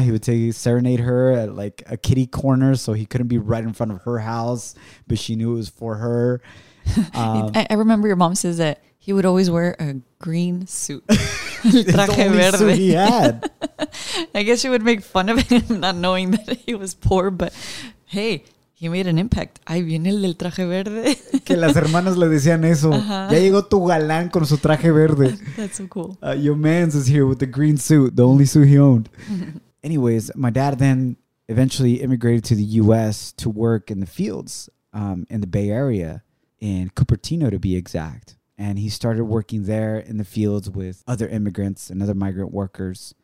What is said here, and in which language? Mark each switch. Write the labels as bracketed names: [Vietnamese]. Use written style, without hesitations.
[English] He would serenade her at like a kitty corner so he couldn't be right in front of her house, but she knew it was for her. I remember your mom says that he would always wear a green suit. [Spanish] Traje verde. [English] Suit he had. I guess she would make fun of him not knowing that he was poor, but hey, he made an impact. [Spanish] Ahí viene el del traje verde. Que las hermanas le decían eso. Uh-huh. Ya llegó tu galán con su traje verde. [English] That's so cool. Your man's is here with the green suit, the only suit he owned. Anyways, my dad then eventually immigrated to the U.S. to work in the fields in the Bay Area, in Cupertino to be exact. And he started working there in the fields with other immigrants and other migrant workers.